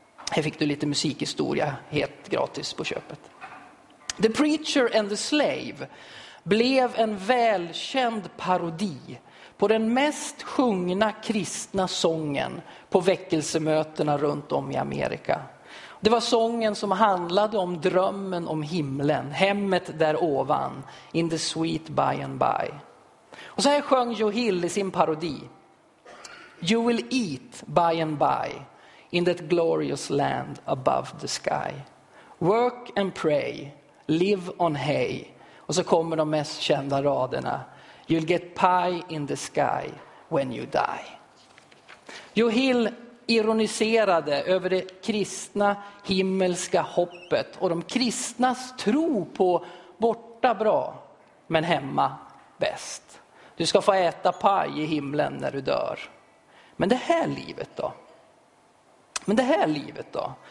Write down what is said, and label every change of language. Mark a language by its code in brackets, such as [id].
[sv] Här fick du lite musikhistoria helt gratis på köpet. The Preacher and the Slave blev en välkänd parodi på den mest sjungna kristna sången på väckelsemötena runt om i Amerika. Det var sången som handlade om drömmen om himlen, hemmet där ovan, [en] in the sweet by and by. [sv] Och så här sjöng Joe Hill i sin parodi. [en] You will eat by and by in that glorious land above the sky. Work and pray, live on hay. [sv] Och så kommer de mest kända raderna. [en] You'll get pie in the sky when you die. [sv] Joe Hill ironiserade över det kristna himmelska hoppet och de kristnas tro på borta bra men hemma bäst. Du ska få äta paj i himlen när du dör. Men det här livet då? Men det här livet då?